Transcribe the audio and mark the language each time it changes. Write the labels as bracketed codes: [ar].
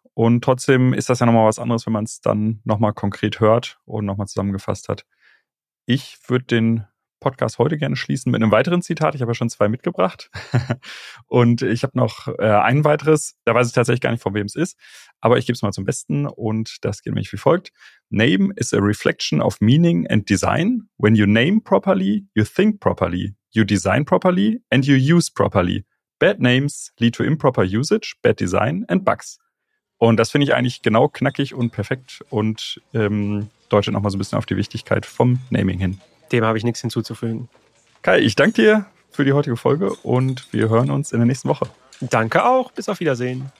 [de] Und trotzdem ist das ja nochmal was anderes, wenn man es dann nochmal konkret hört und nochmal zusammengefasst hat. Ich würde den Podcast heute gerne schließen mit einem weiteren Zitat. Ich habe ja schon zwei mitgebracht. Und ich habe noch ein weiteres. Da weiß ich tatsächlich gar nicht, von wem es ist. Aber ich gebe es mal zum Besten. Und das geht nämlich wie folgt. [en] Name is a reflection of meaning and design. When you name properly, you think properly. You design properly and you use properly. Bad names lead to improper usage, bad design and bugs. [de] Und das finde ich eigentlich genau knackig und perfekt und deutet nochmal so ein bisschen auf die Wichtigkeit vom Naming hin. Dem habe ich nichts hinzuzufügen. Kai, ich danke dir für die heutige Folge und wir hören uns in der nächsten Woche. Danke auch. Bis auf Wiedersehen.